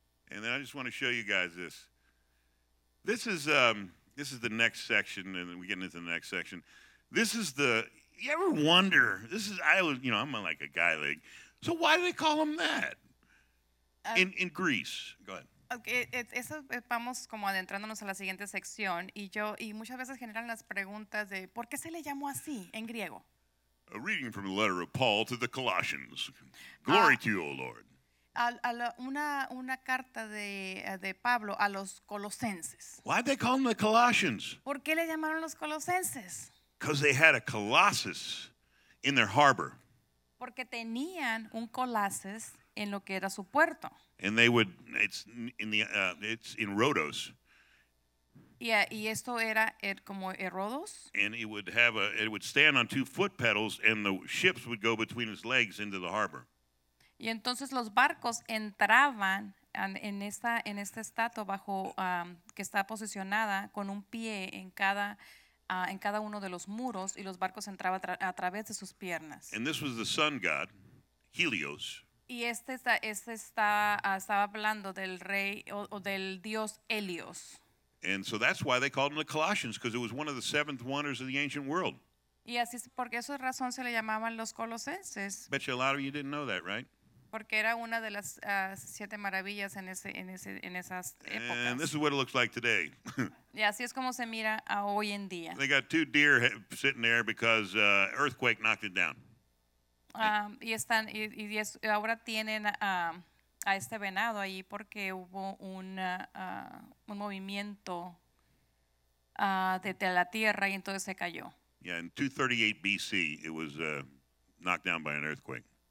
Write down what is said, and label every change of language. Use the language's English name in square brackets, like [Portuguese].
[English] And then I just want to show you guys this. This is the next section, and then we get into the next section. This is the, you ever wonder, I'm like a guy, like, so why do they call them that? In Greece, go ahead. [Spanish] Eso vamos como adentrándonos a la siguiente sección, y muchas veces generan las preguntas de, ¿por qué se le llamó así, en griego? [English] A reading from the letter of Paul to the Colossians. Glory to you, O Lord. [Spanish] Una carta de Pablo a los colosenses. [English] Why'd they call them the Colossians? [Spanish] ¿Por qué le llamaron los colosenses? [English] Because they had a colossus in their harbor. [Spanish] Porque tenían un colosus en lo que era su puerto. [English] And they would, it's in Rhodes. [Spanish] Yeah, y esto era como Rhodes. [English] And it would stand on 2 foot pedals and the ships would go between its legs into the harbor. [Spanish] Y entonces los barcos entraban en esta estatua bajo que está posicionada con un pie en cada uno de los muros y los barcos entraban a través de sus piernas. [English] And this was the sun god, Helios. [Spanish] Y estaba hablando del rey o del dios Helios. [English] And so that's why they called him the Colossians, because it was one of the 7th wonders of the ancient world. [Spanish] Y así es porque esa razón se le llamaban los colosenses. [English] Bet you a lot of you didn't know that, right? [Spanish] Porque era una de las siete maravillas en esas épocas. [English] And this is what it looks like today. [Spanish] Y así es como se mira a hoy en día. [English] They got two deer sitting there because earthquake knocked it down. [Spanish] Ahora tienen a este venado ahí porque hubo un movimiento de la tierra y entonces se cayó. [English] Yeah, in 238 BC, it was knocked down by an earthquake.